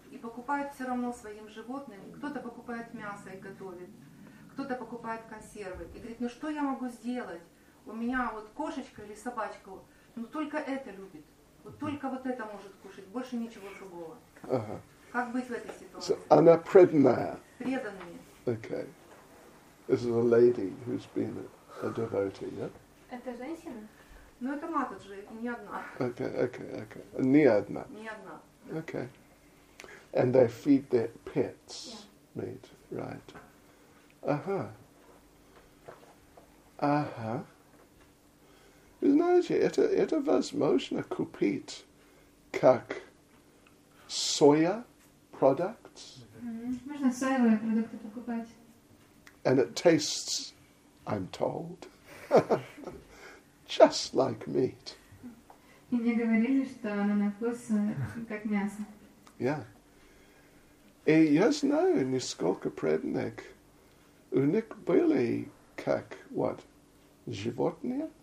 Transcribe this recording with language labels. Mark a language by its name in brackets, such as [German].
[Russian] И покупают все равно своим животным. Кто-то покупает мясо и готовит. Кто-то покупает консервы. И говорит, ну что я могу сделать? У меня вот кошечка или собачка, ну только это любит. Вот только вот это может кушать. Больше ничего другого. Uh-huh. Как быть в этой ситуации? So, она преданная. Преданные. [English] Okay. This is a lady who's been a devotee, yeah? [Russian] Это женщина? Ну, это матаджи, не одна. Okay. Не одна. Не одна. [English] Okay. And they feed their pets meat, right. [Russian] Uh-huh. Вы знаете, это возможно купить как [English] soya products. [Russian] Можно соевые продукты покупать. [English] And it tastes, I'm told, just like meat. [Russian] Мне говорили, что оно на вкус как мясо. [English] Yeah. [Russian] И я знаю, несколько преданных, у них были как, вот, животные.